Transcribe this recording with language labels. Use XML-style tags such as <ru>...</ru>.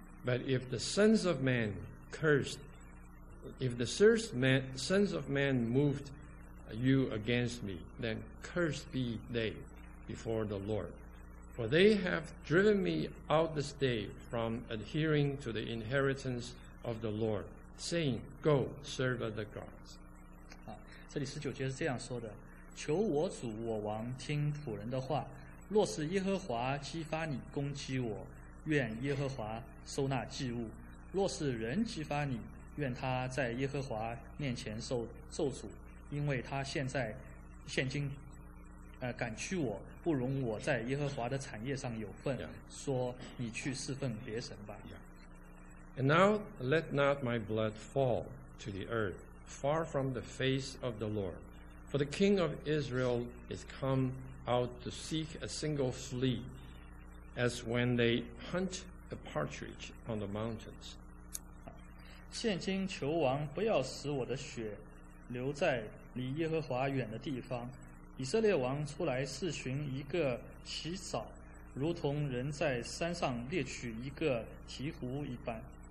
<en>But if the sons of men cursed,If the sons of men moved you against me, then cursed be they before the Lord. For they have driven me out this day from adhering to the inheritance of the Lord, saying, Go, serve other gods.</en> <zh>这里十九节是这样说的，求我主我王听仆人的话，若是耶和华激发你攻击我，愿耶和华收纳祭物，若是人激发你愿他在耶和华面前受咒诅，因为他现今，赶去我，不容我在耶和华的产业上有份。</zh> <en>Yeah.</en> <zh>说你去侍奉别神吧。</zh> <en>Yeah. And now let not my blood fall to the earth, far from the face of the Lord, for the king of Israel is come out to seek a single flea, as when they hunt a partridge on the mountains.</en> <zh>现今求王不要使我的血留在离耶和华远的地方。以色列王出来是寻一个起草，如同人在山上猎取一个鹈鹕一般。</zh>